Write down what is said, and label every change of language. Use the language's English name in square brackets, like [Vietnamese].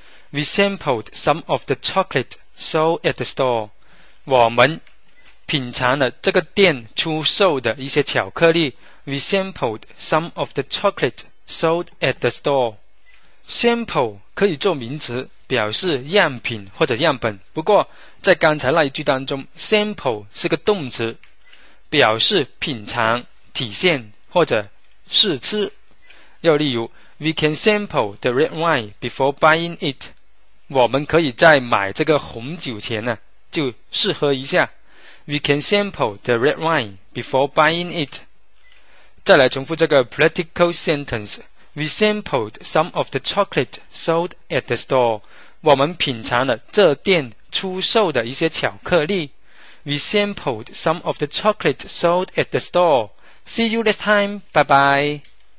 [English] We sampled some of the chocolate sold at the store. [Chinese] 我们品尝了这个店出售的一些巧克力。 [English] We sampled some of the chocolate sold at the store. [Chinese] Sample 可以做名词，表示样品或者样本。不过在刚才那一句当中 ，sample 是个动词，表示品尝、体现或者试吃。又例如 ， [English] We can sample the red wine before buying it. [Chinese] 我们可以在买这个红酒前呢，就试喝一下。 [English] We can sample the red wine before buying it. [Chinese] 再来重复这个 [English] practical sentence. We sampled some of the chocolate sold at the store. [Chinese] 我们品尝了这店出售的一些巧克力。 [English] We sampled some of the chocolate sold at the store. See you next time. Bye bye.